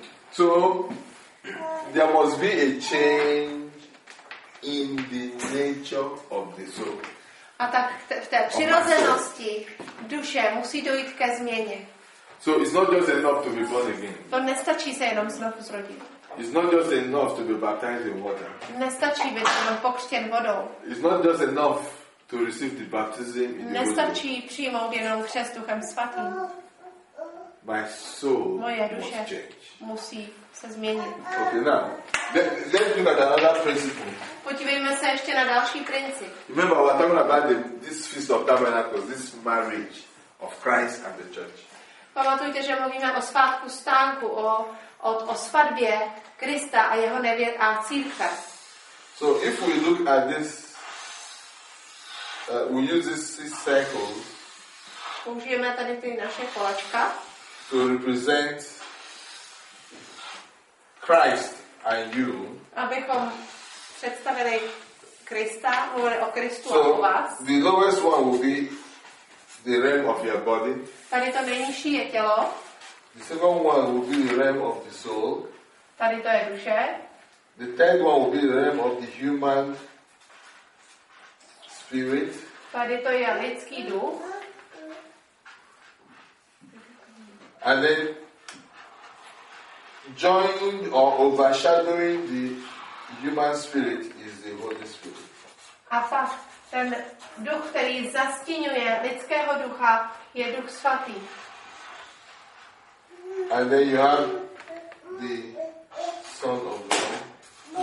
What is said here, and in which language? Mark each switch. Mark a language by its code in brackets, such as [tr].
[en] So there must be a change in the nature of the soul. [cs] A tak v té přirozenosti duše musí dojít ke změně. [en] So it's not just enough to be born again. [cs] To nestačí se jenom znovu zrodit. [en] It's not just enough to be baptized in water. [cs] Nestačí být jenom pokřtěn vodou. [en] It's not just enough to receive the baptism in the [cs] nestačí přijmout jenom křest Duchem Svatým. [en] My soul [cs] moje duše [en] must change. [cs] Musí se změnit. [en] Okay, now, let's look at another principle. [cs] Podívejme se ještě na další princip. [en] Remember, we're talking about this Feast of Tabernacles, this marriage of Christ and the church. [cs] Pamatujte, že mluvíme o svátku stánku, o svatbě Krista a jeho nevěst a církve. [en] So if we look at this, we use this circle. [cs] Použijeme tady ty naše kolečka. [en] To represent Christ and you. [cs] Abychom představili Krista, mluvili o Kristu [en] so [cs] a o vás. [en] The lowest one will be the realm of your body. [cs] Tady to nejnižší je tělo. [en] The second one will be the realm of the soul. [cs] Tady to je duše. [en] The third one will be the realm of the human spirit. [cs] Tady to je lidský duch. [en] And then joining or overshadowing the human spirit is the Holy Spirit. [cs] A pak ten duch, který zastiňuje lidského ducha, je duch svatý. [en] And then you have the Son of God.